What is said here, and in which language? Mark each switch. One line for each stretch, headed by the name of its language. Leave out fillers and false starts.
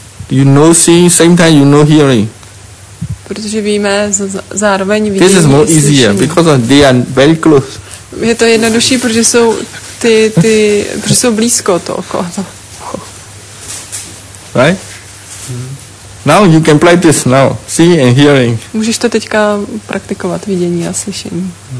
English: You know seeing, same time you know hearing.
Czech: Protože víme, zároveň vidíme.
English: This is more easier because they are very close.
Czech: Je to jednodušší, protože jsou ty protože jsou blízko to oko.
English: Right? Now you can play this now, seeing and hearing.
Czech: Můžeš to teďka praktikovat, vidění a slyšení.